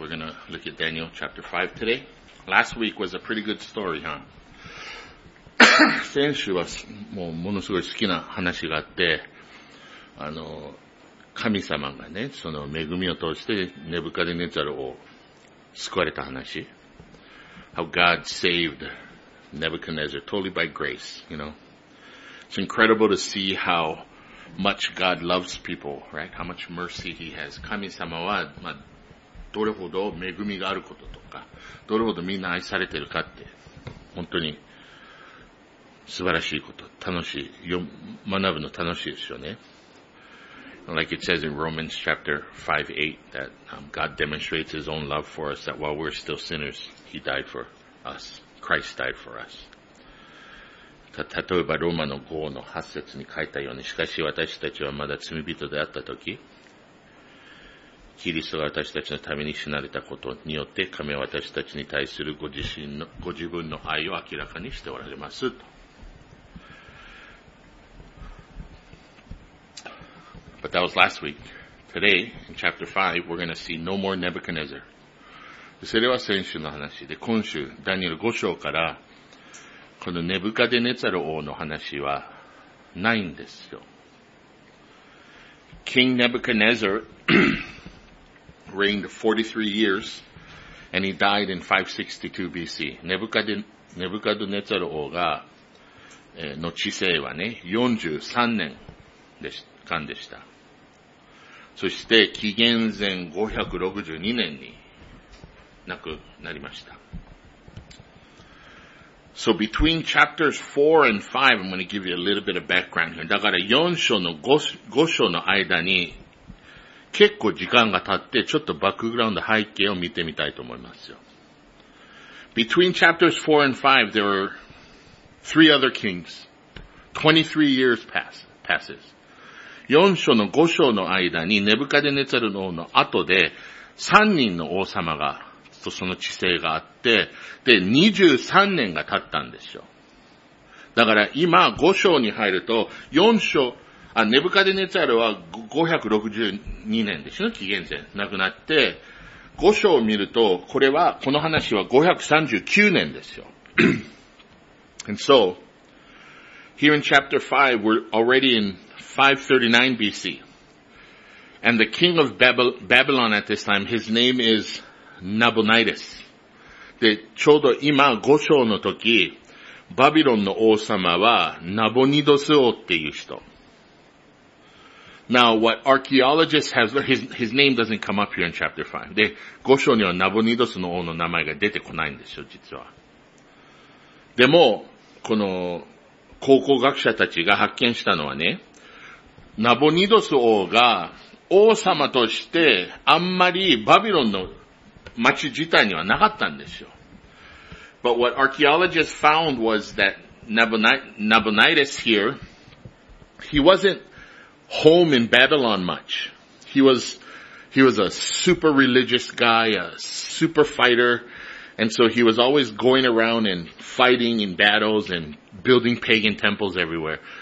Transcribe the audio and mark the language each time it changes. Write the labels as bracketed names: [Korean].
[English] We're gonna look at Daniel chapter 5 today. Last week was a pretty good story, huh? [Japanese] 先週はもうものすごい好きな話があって、神様がね、その恵みを通してネブカデネザルを救われた話。 [English] How God saved Nebuchadnezzar totally by grace, you know. It's incredible to see howMuch God loves people, right? How much mercy He has. [Japanese] 神様は、まあ、どれほど恵みがあることとか、どれほどみんな愛されてるかって、本当に素晴らしいこと、楽しい、学ぶの楽しいですよね。 [English] Like it says in Romans chapter 5:8 that God demonstrates His own love for us that while we're still sinners, He died for us. Christ died for us. [Japanese] 例えばローマの5の8節に書いたように、しかし私たちはまだ罪人であったとき、キリストが私たちのために死なれたことによって、神は私たちに対するご自分の愛を明らかにしておられますと。 [English] But that was last week. Today, in chapter 5, we're going to see no more Nebuchadnezzar. [Japanese] それは先週の話で、今週ダニエル5章からこのネブカデネザル王の話はないんですよ。 [English] King Nebuchadnezzar reigned 43 years and he died in 562 BC. [Japanese] ネブカデネザル王が、の治世はね、43年間でした。そして紀元前562年に亡くなりました。 [English] So between chapters 4 and 5, I'm going to give you a little bit of background here. [Japanese] だから4章の 5章の間に結構時間が経って、ちょっとバックグラウンド背景を見てみたいと思いますよ。 [English] Between chapters 4 and 5, there are three other kings. 23 years passes. [Japanese] 4章の5章の間にネブカデネザルの王の後で3人の王様がとその知性があって、で23年が経ったんですよ。だから今5章に入ると、4章、あ、ネブカデネザルは562年ですよ、紀元前亡くなって、5章を見るとこれは、この話は539年ですよ。 [English] And so here in chapter 5 we're already in 539 BC and the king of Babylon at this time, his name isNabonidus. [Japanese] で、ちょうど今五章の時、バビロンの王様はナボニドス王っていう人。 [English] Now, what archaeologists have learned, his name doesn't come up here in chapter 5. [Japanese] で、五章にはナボニドスの王の名前が出てこないんですよ、実は。でも、この考古学者たちが発見したのはね、ナボニドス王が王様としてあんまりバビロンの町自体にはなかったんですよ。 [English] But what archaeologists found was that Nabonidus here, he wasn't home in Babylon much. He was a super religious guy, a super fighter, and so he was always going around and fighting in battles and building pagan temples everywhere.